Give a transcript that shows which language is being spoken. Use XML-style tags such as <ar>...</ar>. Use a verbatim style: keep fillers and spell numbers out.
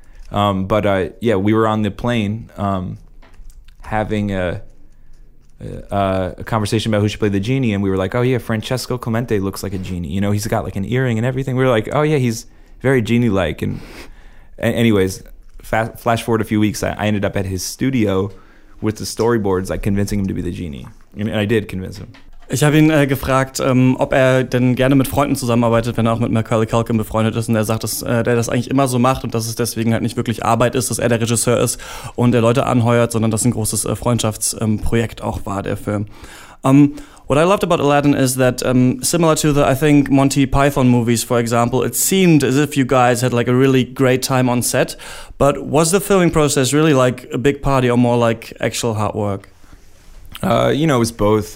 <en>Um, but uh, yeah, we were on the plane um, having a, a, a conversation about who should play the genie. And we were like, oh yeah, Francesco Clemente looks like a genie. You know, he's got like an earring and everything. We were like, oh yeah, he's very genie-like. And anyways, fast, flash forward a few weeks, I, I ended up at his studio with the storyboards, like convincing him to be the genie. And I did convince him.</en> <de>Ich habe ihn äh, gefragt, ähm, ob er denn gerne mit Freunden zusammenarbeitet, wenn er auch mit Macaulay Culkin befreundet ist. Und er sagt, dass äh, der das eigentlich immer so macht und dass es deswegen halt nicht wirklich Arbeit ist, dass er der Regisseur ist und der Leute anheuert, sondern dass ein großes äh, Freundschaftsprojekt ähm, auch war, der Film.</de> <en>Um, what I loved about Aladdin is that, um, similar to the, I think, Monty Python movies, for example, it seemed as if you guys had like a really great time on set. But was the filming process really like a big party or more like actual hard work? Uh, you know, it was both.</en>